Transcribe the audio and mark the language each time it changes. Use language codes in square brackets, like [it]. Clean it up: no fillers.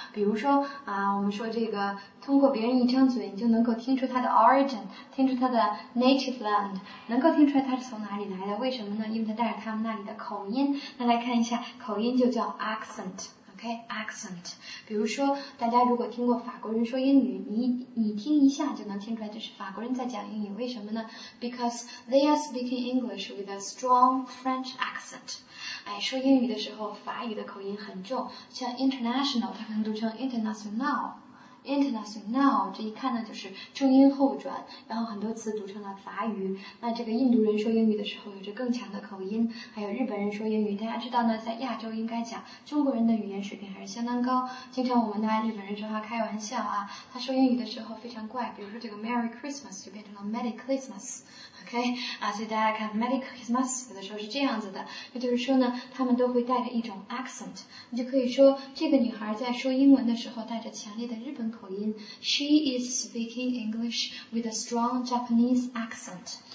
[zh] 比如说啊，我们说这个，通过别人一张嘴，你就能够听出他的 origin， 听出他的 native land， 能够听出来他是从哪里来的。为什么呢？因为他带着他们那里的口音。那来看一下，口音就叫 accent。 Accent， 比如说大家如果听过法国人说英语，你听一下就能听出来这是法国人在讲英语。为什么呢？ [en] Because they are speaking English with a strong French accent。 [zh] 哎，说英语的时候法语的口音很重，像 international 它可能读成 international。 International 这一看呢就是重音后转，然后很多词读成了法语。那这个印度人说英语的时候有着更强的口音，还有日本人说英语，大家知道呢，在亚洲应该讲中国人的语言水平还是相当高。经常我们拿日本人说话开玩笑啊，他说英语的时候非常怪，比如说这个 Merry Christmas 就变成了 Merry Christmas。 OK 啊，所以大家看 Merry Christmas 有的时候是这样子的，也就是说呢，他们都会带着一种 accent。你就可以说这个女孩在说英文的时候带着强烈的日本口音。 [en] She is speaking English with a strong Japanese accent。